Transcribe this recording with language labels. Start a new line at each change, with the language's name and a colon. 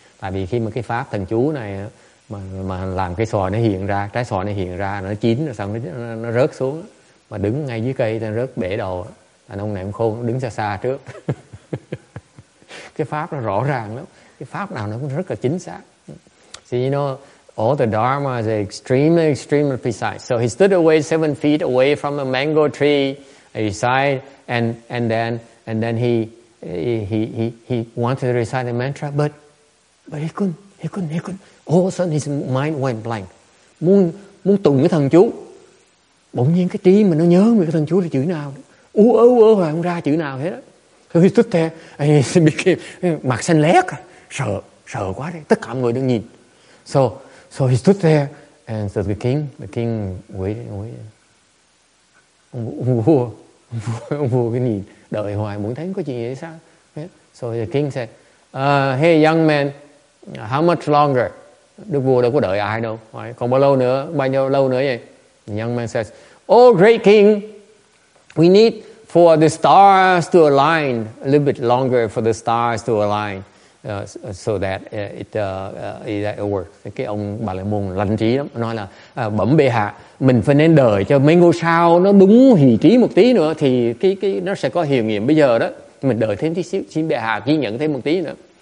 Vietnamese: Tại vì khi mà cái pháp thần chú này mà làm cái xoài nó hiện ra, trái xoài nó hiện ra, nó chín rồi xong nó rớt xuống. Mà đứng ngay dưới cây, nó rớt bể đầu. Anh ông này cũng khôn, đứng xa xa trước. Cái pháp nó rõ ràng lắm. Cái pháp nào nó cũng rất là chính xác.
English: So you know, all the dharma is extremely, extremely precise. So he stood away 7 feet away from the mango tree, and he sighed, and then he wanted to recite the mantra, but he couldn't. All of a sudden his mind went blank.
Vietnamese: Muốn tụng cái thần chú, bỗng nhiên cái trí mà nó nhớ về cái thần chú là chữ nào, ú ớ hoài không ra chữ nào hết.
English: So he stood there, and he became
Vietnamese: mặt xanh lét, sợ quá đấy, tất cả mọi người đang nhìn.
English: So he stood there, and so the king waited.
Vietnamese: Ông vua cứ nhìn, đợi hoài, muốn thấy có chuyện gì sao.
English: Yeah. So the king said, hey young man, how much longer?
Vietnamese: Đức vua đâu có đợi ai đâu.
English: Right.
Vietnamese: Còn bao lâu nữa, bao nhiêu lâu nữa vậy?
English: The young man says, oh great king, we need for the stars to align, a little bit longer for the stars to align. So that it works.
Vietnamese: Cái ông Bà La Môn lành trí lắm, nói là bẩm bệ hạ, mình phải nên đợi cho mấy ngôi sao nó đúng vị trí một tí nữa thì cái nó sẽ có hiệu nghiệm bây giờ đó. Mình đợi thêm tí xíu, xin bệ hạ ghi nhận thêm một tí nữa.